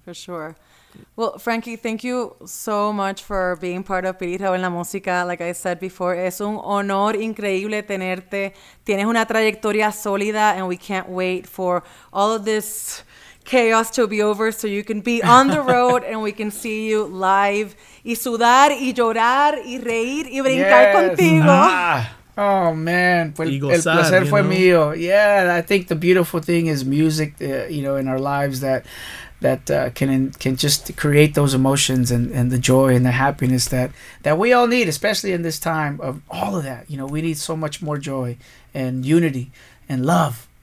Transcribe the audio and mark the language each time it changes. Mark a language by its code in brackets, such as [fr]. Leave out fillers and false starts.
[en] For sure. Well, Frankie, thank you so much for being part of Pirito en la Música. Like I said before, [es] es un honor increíble tenerte. Tienes una trayectoria sólida, [en] and we can't wait for all of this chaos to be over, so you can be on the road and we can see you live. [es] Y sudar, y llorar, y reír, y brincar contigo. [en] Oh man, [es] el placer fue mío. [en] Yeah, I think the beautiful thing is music, you know, in our lives that can just create those emotions and the joy and the happiness that we all need, especially in this time of all of that. You know, we need so much more joy and unity and love.